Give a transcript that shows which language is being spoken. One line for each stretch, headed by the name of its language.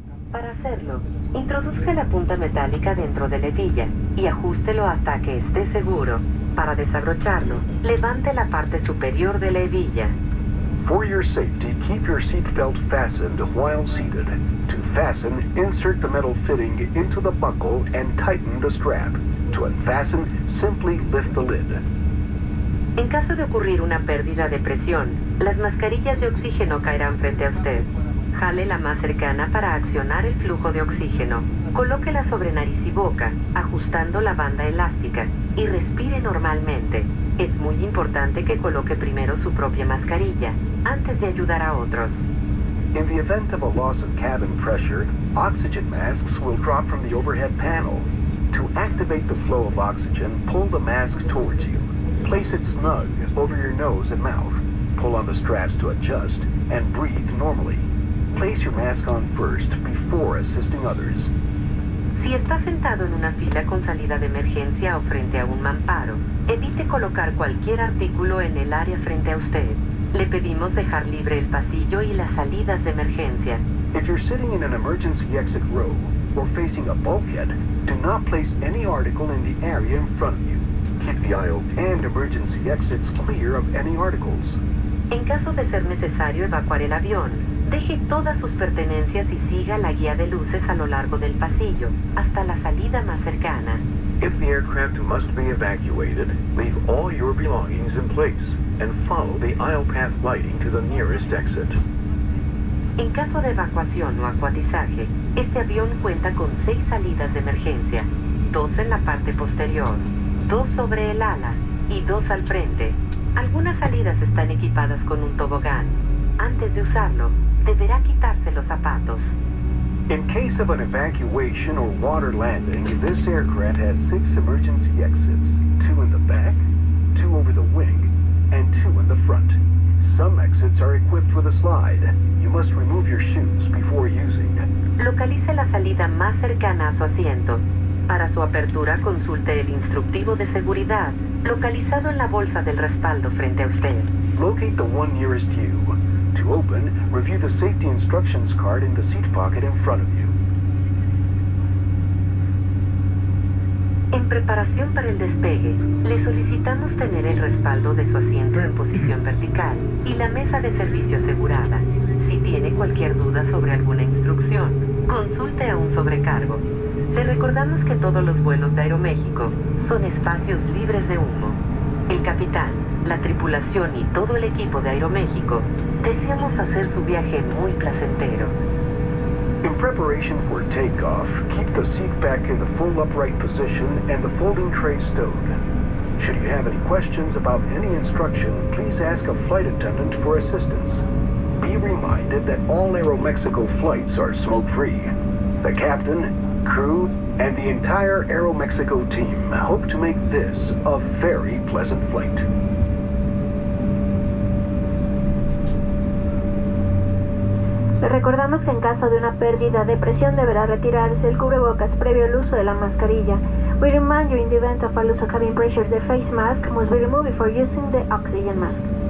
Spanish: Para hacerlo, introduzca la punta metálica dentro de la hebilla y ajústelo hasta que esté seguro. Para desabrocharlo, levante la parte superior de la hebilla.
English: For your safety, keep your seatbelt fastened while seated. To fasten, insert the metal fitting into the buckle and tighten the strap. To unfasten, simply lift the lid.
Spanish: En caso de ocurrir una pérdida de presión, las mascarillas de oxígeno caerán frente a usted. Jale la más cercana para accionar el flujo de oxígeno. Colóquela sobre nariz y boca, ajustando la banda elástica, y respire normalmente. Es muy importante que coloque primero su propia mascarilla, antes de ayudar a otros.
English: In the event of a loss of cabin pressure, oxygen masks will drop from the overhead panel. To activate the flow of oxygen, pull the mask towards you. Place it snug over your nose and mouth. Pull on the straps to adjust and breathe normally. Place your mask on first before assisting others.
Spanish: Si estás sentado en una fila con salida de emergencia o frente a un mamparo, evite colocar cualquier artículo en el área frente a usted. Le pedimos dejar libre el pasillo y las salidas de emergencia.
English: If you're sitting in an emergency exit row or facing a bulkhead, do not place any article in the area in front of you. Keep the aisle and emergency exits clear of any articles.
Spanish: En caso de ser necesario evacuar el avión, deje todas sus pertenencias y siga la guía de luces a lo largo del pasillo, hasta la salida más cercana.
English: If the aircraft must be evacuated, leave all your belongings in place and follow the aisle path lighting to the nearest exit.
Spanish: En caso de evacuación o acuatizaje, este avión cuenta con 6 salidas de emergencia, 2 en la parte posterior, 2 sobre el ala y 2 al frente. Algunas salidas están equipadas con un tobogán. Antes de usarlo, deberá quitarse los zapatos.
English: In case of an evacuation or water landing, this aircraft has 6 emergency exits, 2 in the back, 2 over the wing, and 2 in the front. Some exits are equipped with a slide. You must remove your shoes before using.
Spanish: Localice la salida más cercana a su asiento. Para su apertura, consulte el instructivo de seguridad, localizado en la bolsa del respaldo frente a usted.
English: Locate the one nearest you. To open, review the safety instructions card in the seat pocket in front of you.
Spanish: En preparación para el despegue, le solicitamos tener el respaldo de su asiento en posición vertical y la mesa de servicio asegurada. Si tiene cualquier duda sobre alguna instrucción, consulte a un sobrecargo. Le recordamos que todos los vuelos de Aeroméxico son espacios libres de humo. El capitán, la tripulación y todo el equipo de Aeroméxico deseamos hacer su viaje muy placentero.
English: In preparation for takeoff, keep the seat back in the full upright position and the folding tray stowed. Should you have any questions about any instruction, please ask a flight attendant for assistance. Be reminded that all Aeroméxico flights are smoke-free. The captain, crew, and the entire Aeroméxico team hope to make this a very pleasant flight.
Spanish: Recordamos que en caso de una pérdida de presión deberá retirarse el cubrebocas previo al uso de la mascarilla.
English: We remind you in the event of a loss of cabin pressure, the face mask must be removed before using the oxygen mask.